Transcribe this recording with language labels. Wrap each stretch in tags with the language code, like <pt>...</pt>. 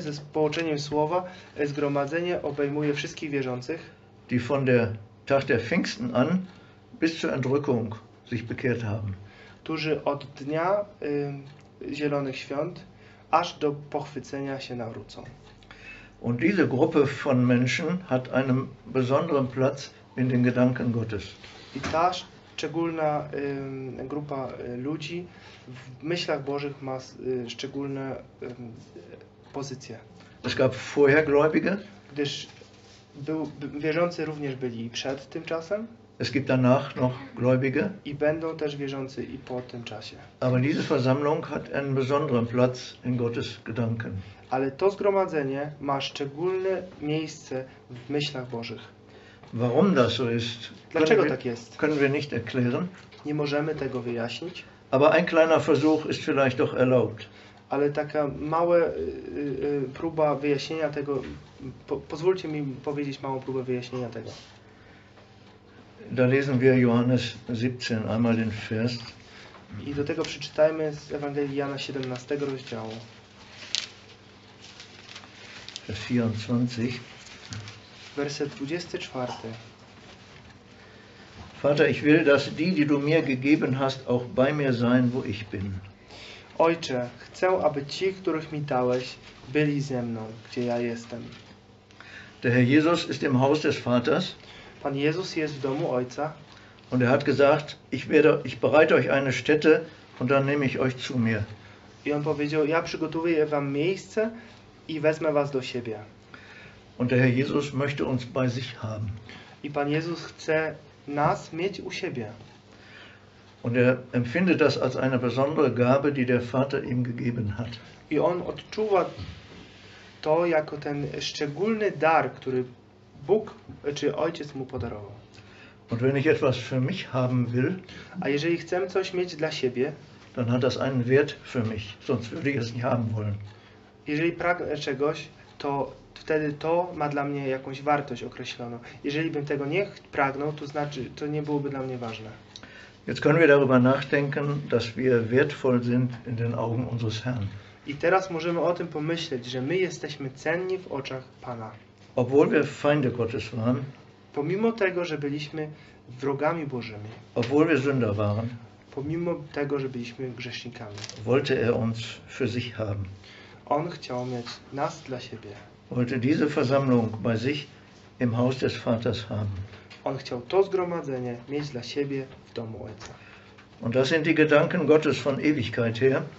<pl>z połączeniem słowa zgromadzenie obejmuje wszystkich wierzących,</pl> <de>die von der Tag der Pfingsten an bis zur Entrückung sich bekehrt haben.</de> <pl>Którzy od dnia zielonych świąt aż do pochwycenia się nawrócą.</pl> <de>Und diese Gruppe von Menschen hat einen besonderen Platz in den Gedanken Gottes.</de> <pl>I ta szczególna grupa ludzi w myślach Bożych ma szczególne pozycje.</pl> <de>Es gab vorher Gläubige.</de> <pl>Gdyż wierzący również byli przed tym czasem.</pl> <de>Es gibt danach noch Gläubige.</de> <pl>I będą też wierzący i po tym czasie.</pl> <de>Aber diese Versammlung hat einen besonderen Platz in Gottes Gedanken.</de> <pl>Ale to zgromadzenie ma szczególne miejsce w myślach Bożych.</pl> <de>Warum das so ist,</de> <pl>dlaczego tak jest?</pl> <de>Können wir nicht erklären.</de> <pl>Nie możemy tego wyjaśnić.</pl> <de>Aber ein kleiner Versuch ist vielleicht doch erlaubt.</de> <pl>Ale taka mała próba wyjaśnienia tego, pozwólcie mi powiedzieć małą próbę wyjaśnienia tego.</pl> <de>Da lesen wir Johannes 17, einmal den Vers.</de> <pl>I do tego przeczytajmy z Ewangelii Jana 17 rozdziału.</pl> <de>Vers 24.</de> <pl>Werset 24.</pl> <de>Vater, ich will, dass die, die du mir gegeben hast, auch bei mir sein, wo ich bin.</de> <pl>Ojcze, chcę, aby ci, których mi dałeś, byli ze mną, gdzie ja jestem.</pl> <de>Der Herr Jesus ist im Haus des Vaters.</de> <pl>Pan Jezus jest w domu Ojca.</pl> <de>Und er hat gesagt, ich bereite euch eine Stätte und dann nehme ich euch zu mir.</de> <pl>I on powiedział, ja przygotuję wam miejsce i wezmę was do siebie.</pl> <de>Und der Herr Jesus möchte uns bei sich haben.</de> <pl>I Pan Jezus chce nas mieć u siebie.</pl> <de>Und er empfindet das als eine besondere Gabe, die der Vater ihm gegeben hat.</de> <pl>I on odczuwa to jako ten szczególny dar, który Bóg, czy Ojciec mu podarował.</pl> <de>Und wenn ich etwas für mich haben will,</de> <pl>a jeżeli chcę coś mieć dla siebie,</pl> <de>dann hat das einen Wert für mich, sonst würde ich es nicht haben wollen.</de> <pl>Jeżeli pragnę czegoś, to wtedy to ma dla mnie jakąś wartość określoną. Jeżeli bym tego nie pragnął, to znaczy, to nie byłoby dla mnie ważne.</pl> <de>Jetzt können wir darüber nachdenken, dass wir wertvoll sind in den Augen unseres Herrn.</de> <pl>I teraz możemy o tym pomyśleć, że my jesteśmy cenni w oczach Pana.</pl> <de>Obwohl wir Feinde Gottes waren,</de> <pl>pomimo tego, że byliśmy wrogami Bożymi,</pl> <de>obwohl wir Sünder waren,</de> <pl>pomimo tego, że byliśmy grzesznikami,</pl> <de>wollte er uns für sich haben.</de> <pl>On chciał mieć nas dla siebie.</pl> <de>Wollte diese Versammlung bei sich im Haus des Vaters haben.</de> <pl>On chciał to zgromadzenie mieć dla siebie w domu Ojca.</pl> <de>Und das sind die Gedanken Gottes von Ewigkeit her.</de>